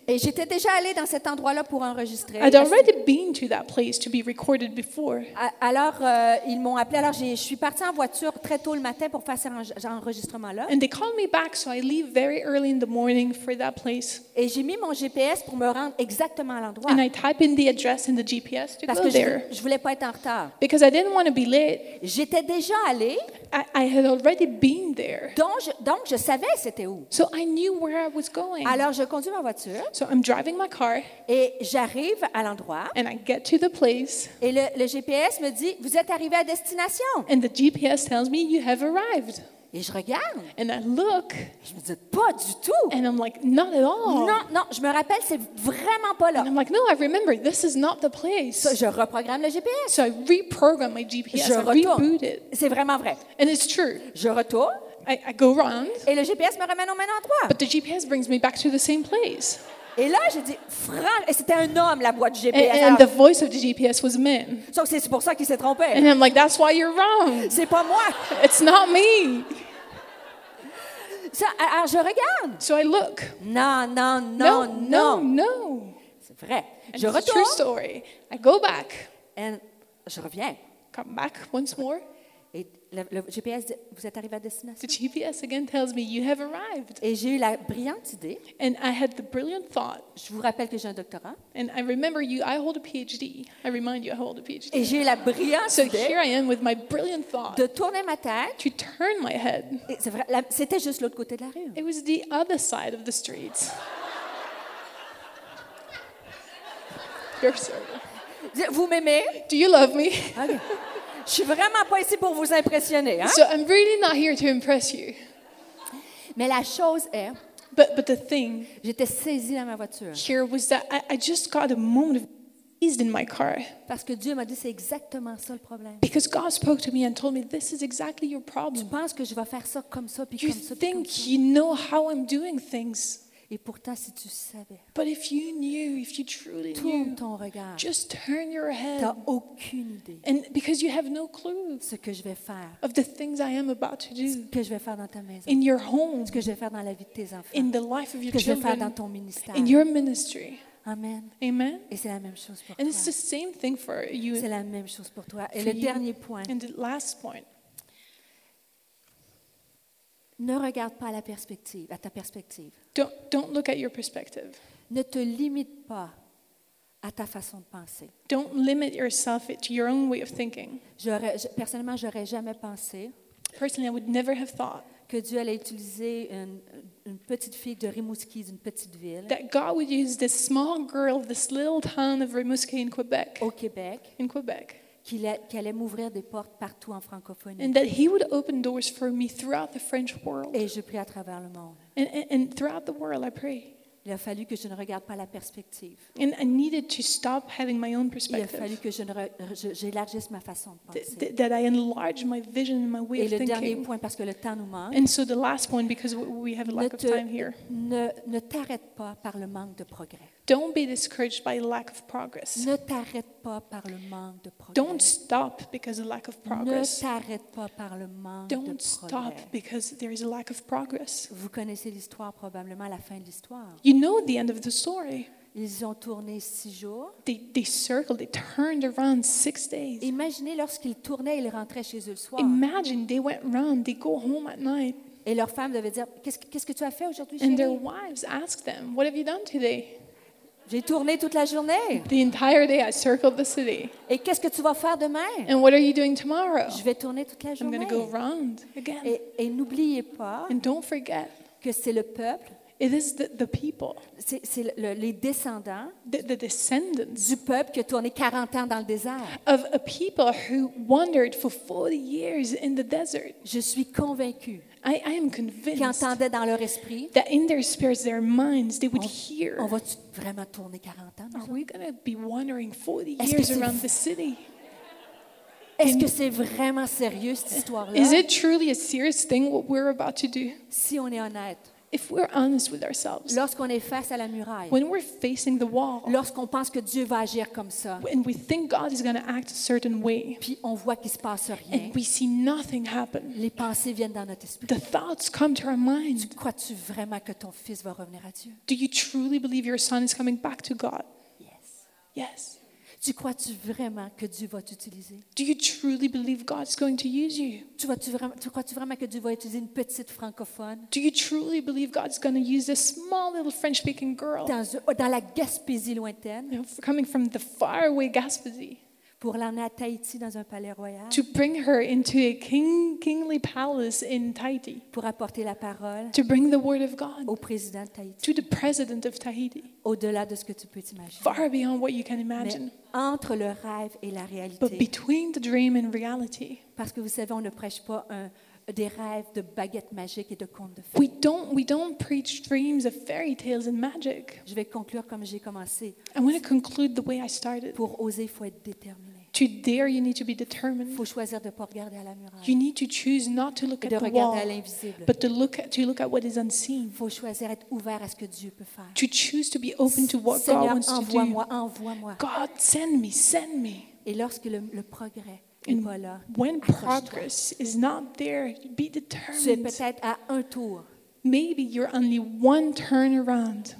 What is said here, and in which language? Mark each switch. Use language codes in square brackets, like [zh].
[fr] Et j'étais déjà allée dans cet endroit-là pour enregistrer. [en] I'd already been to that place to be recorded before. [fr] Alors ils m'ont appelé. Alors je suis partie en voiture très tôt le matin pour faire cet enregistrement-là. [en] And they called me back, so I leave very early in the morning for that place. [fr] Et j'ai mis mon GPS pour me rendre exactement à l'endroit. [en] And I type in the address in the GPS to go there. [fr] Parce que je voulais pas être en retard. [en] Because I didn't want to be late. [fr] J'étais déjà allée. [en] I had already been there. [fr] Donc je savais c'était où. [en] So I knew where I was going. [fr] Alors je conduis ma voiture. [en] So I'm driving my car. [fr] Et j'arrive à l'endroit. [en] And I get to the place. [fr] Et le GPS me dit vous êtes arrivé à destination. [en] And the GPS tells me you have arrived. [fr] Et je regarde. [en] And I look. [fr] Je me dis pas du tout. [en] And I'm like, not at all. [fr] Non, non, je me rappelle, c'est vraiment pas là. [en] And I'm like, no, I remember. This is not the place. [fr] Je reprogramme le GPS. [en] So I reprogram my GPS. [fr] Je [en] reboot it. [fr] C'est vraiment vrai. [en] And it's true. [fr] Je retourne. [en] I go around. [fr] Et le GPS me ramène au même endroit. [en] But the GPS brings me back to the same place. [fr] Et là, j'ai dit, Franck, et c'était un homme, la voix du GPS. [en] And the voice of the GPS was a man. [fr] Donc, c'est pour ça qu'il s'est trompé. [en] And I'm like, that's why you're wrong. [fr] C'est pas moi. [en] It's not me. [fr] Ça, alors, je regarde. [en] So I look. [fr] Non, non, non, [en] no, [fr] non. [en] No, no. [fr] C'est vrai. [en] And [fr] je retourne. [en] A true story. I go back. And [fr] je reviens. [en] Come back once more. [fr] Et le GPS dit, vous êtes arrivé à destination. [en] The GPS again tells me you have arrived. [fr] Et j'ai eu la brillante idée. [en] And I had the brilliant thought. [fr] Je vous rappelle que j'ai un doctorat. [en] And I remember you, I hold a PhD. I remind you, I hold a PhD. [fr] Et j'ai eu la brillante [en] so [fr] idée. [en] So here I am with my brilliant thought. [fr] De tourner ma tête. [en] To turn my head. [fr] Et c'est vrai, c'était juste l'autre côté de la rue. [en] It was the other side of the street. You're sorry. [fr] Vous m'aimez? [en] Do you love me? Okay. [fr] Je suis vraiment pas ici pour vous impressionner, hein? [en] So I'm really not here to impress you. [fr] Mais la chose est, [en] but the thing, [fr] j'étais saisie dans ma voiture. [en] Here was that I just got a moment of ease in my car. [fr] Parce que Dieu m'a dit c'est exactement ça le problème. [en] Because God spoke to me and told me this is exactly your problem. [fr] Tu penses que je vais faire ça comme ça puis [en] you [fr] comme ça. [en] You think you know how I'm doing things. [fr] Et pourtant, si tu savais, [en] but if you knew, if you truly [fr] tourne [en] knew, [fr] ton regard, [en] just turn your head. [fr] T'as aucune idée. [en] And because you have no clue, [fr] ce que je vais faire, [en] of the things I am about to do, [fr] ce que je vais faire dans ta maison, [en] in your home, [fr] ce que je vais faire dans la vie de tes enfants, [en] in the life of your [fr] ce que [en] children, [fr] je vais faire dans ton ministère, [en] in your ministry. [fr] Amen. [en] Amen. [fr] Et c'est la même chose pour [en] and It's the same thing for you. [fr] C'est la même chose pour toi. Et le dernier point. [en] And the last point. [fr] Ne regarde pas à la perspective, à ta perspective. [en] Don't look at your perspective. [fr] Ne te limite pas à ta façon de penser. [en] Don't limit yourself to your own way of thinking. [fr] Personnellement, j'aurais jamais pensé. [en] Personally, I would never have thought [fr] que Dieu allait utiliser une petite fille de Rimouski, d'une petite ville. [en] That God would use this small girl, this little town of Rimouski in Quebec. [fr] Au Québec. [en] In Quebec. [fr] Qu'il allait m'ouvrir des portes partout en francophonie. [en] And that he would open doors for me throughout the French world. [fr] Et je prie à travers le monde. [en] And throughout the world, I pray. [fr] Il a fallu que je ne regarde pas la perspective. [en] And I needed to stop having my own perspective. [fr] Il a fallu que j'élargisse ma façon de penser. [en] That I enlarge my vision and my way [fr] et [en] of thinking. [fr] Et le dernier point, parce que le temps nous manque. [en] And so the last point, because we have a lack of time here. [fr] Ne t'arrête pas par le manque de progrès. [en] Don't be discouraged by lack of progress. [fr] Ne t'arrête pas par le manque de progrès. [en] Don't stop because of lack of progress. [fr] Ne t'arrête pas par le manque de progrès. [en] Don't stop because there is a lack of progress. [fr] Vous connaissez l'histoire probablement, la fin de l'histoire. [en] You know the end of the story. [fr] Ils ont tourné six jours. [en] They circled, they turned around 6 days. [fr] Imaginez lorsqu'ils tournaient, ils rentraient chez eux le soir. [en] Imagine they went round, they go home at night. [fr] Et leurs femmes devaient dire, qu'est-ce que tu as fait aujourd'hui, chérie? [en] And their wives asked them, what have you done today? [fr] J'ai tourné toute la journée. [en] The entire day I circled the city. [fr] Et qu'est-ce que tu vas faire demain? [en] And what are you doing tomorrow? [fr] Je vais tourner toute la journée. [en] I'm going to go round again. [fr] Et n'oubliez pas [en] and don't forget [fr] que c'est le peuple. [en] It is the people. [fr] C'est les descendants. [en] The descendants. [fr] Du peuple qui a tourné 40 ans dans le désert. [en] Of a people who wandered for 40 years in the desert. [fr] Je suis convaincue. [en] I am convinced [fr] qu'ils entendaient dans leur esprit [en] that in their spirits, their minds, they would hear. [fr] On va vraiment tourner 40 ans? [en] Are we going to be wandering 40 years around the city? [fr] Est-ce que c'est vraiment sérieux cette histoire-là? [en] Is it truly a serious thing what we're about to do? [fr] Si on est honnête. [en] If we're honest with ourselves, [fr] lorsqu'on est face à la muraille, [en] when we're facing the wall, [fr] lorsqu'on pense que Dieu va agir comme ça, [en] when we think God is going to act a certain way, [fr] puis on voit qu'il se passe rien, [en] and we see nothing happen, [fr] les pensées viennent dans notre esprit. [en] The thoughts come to our mind. [fr] Tu crois-tu vraiment que ton fils va revenir à Dieu? [en] Do you truly believe your son is coming back to God? Yes. Yes. [fr] Tu crois-tu vraiment que Dieu va t'utiliser? [en] Do you truly believe God's going to use you? [fr] Tu crois-tu vraiment que Dieu va utiliser une petite francophone? [en] Do you truly believe God's going to use a small little French-speaking girl? [fr] Dans la Gaspésie lointaine? [en] Coming from the faraway Gaspésie. [fr] Pour l'emmener à Tahiti dans un palais royal? [en] To bring her into a kingly palace in Tahiti. [fr] Pour apporter la parole? [en] To bring the word of God. [fr] Au président de Tahiti? [en] To the president of Tahiti. [fr] Au-delà de ce que tu peux t'imaginer. [en] Far beyond what you can imagine. [fr] Mais entre le rêve et la réalité. [en] But between the dream and reality. [fr] Parce que vous savez, on ne prêche pas des rêves de baguettes magiques et de contes de fées. [en] We don't preach dreams of fairy tales and magic. [fr] Je vais conclure comme j'ai commencé. [en] I want to conclude the way I started. [fr] Pour oser, faut être déterminé. [en] To dare, you need to be determined. [fr] Faut choisir de pas regarder à la muraille. [en] You need to choose not to look at the wall, but to look at what is unseen. [fr] Faut choisir être ouvert à ce que Dieu peut faire. [en] To choose to be open to what [fr] Seigneur, [en] God wants to do. [fr] Seigneur, envoie-moi. [en] God, send me. [fr] Et lorsque le progrès est pas là, [en] when progress is not there, be determined. [fr] Tu es peut-être à un tour. [en] Maybe you're only one turn around